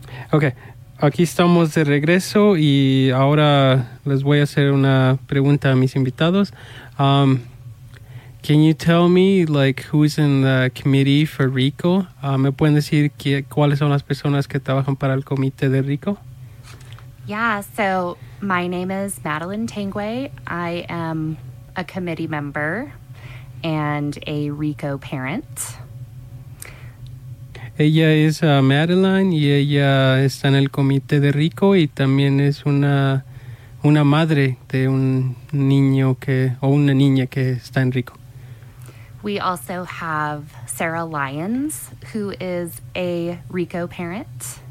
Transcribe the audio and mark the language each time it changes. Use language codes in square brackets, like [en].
[es] Ok, aquí estamos de regreso y ahora les voy a hacer una pregunta a mis invitados. [en] Can you tell me, like, who's in the committee for Rico? [es] ¿Me pueden decir cuáles son las personas que trabajan para el comité de Rico? [en] Yeah, so my name is Madeline Tanguay. I am a committee member and a Rico parent. [es] Ella es Madeline y ella está en el comité de Rico y también es una madre de un niño que o una niña que está en Rico. [en] We also have Sarah Lyons, who is a Rico parent.